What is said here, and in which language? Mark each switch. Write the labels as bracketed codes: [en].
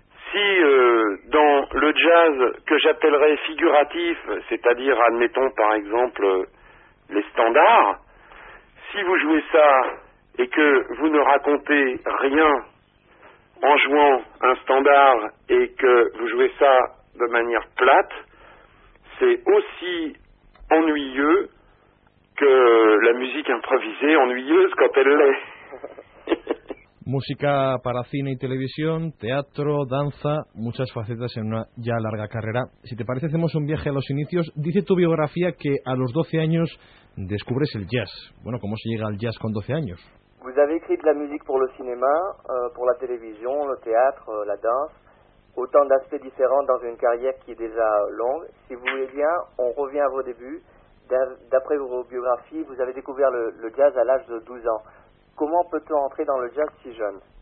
[fr] Si dans le jazz que j'appellerais figuratif, c'est-à-dire admettons par exemple les standards, si vous jouez ça et que vous ne racontez rien en jouant un standard et que vous jouez ça de manière plate, c'est aussi ennuyeux que la musique improvisée, ennuyeuse quand elle l'est. [es] Música para cine y televisión, teatro, danza, muchas facetas en una ya larga carrera. Si te parece, hacemos un viaje a los inicios. Dice tu biografía que a los 12 años descubres el jazz. Bueno, ¿cómo se llega al jazz con 12 años? [fr] Vous avez écrit de la musique pour le cinéma, pour la télévision, le théâtre, la danse. Autant d'aspects différents dans une carrière qui est déjà longue. Si vous voulez bien, on revient à vos débuts. D'après vos biographies, vous avez découvert le jazz à l'âge de 12 ans. Comment peut-on entrer dans le jazz si jeune?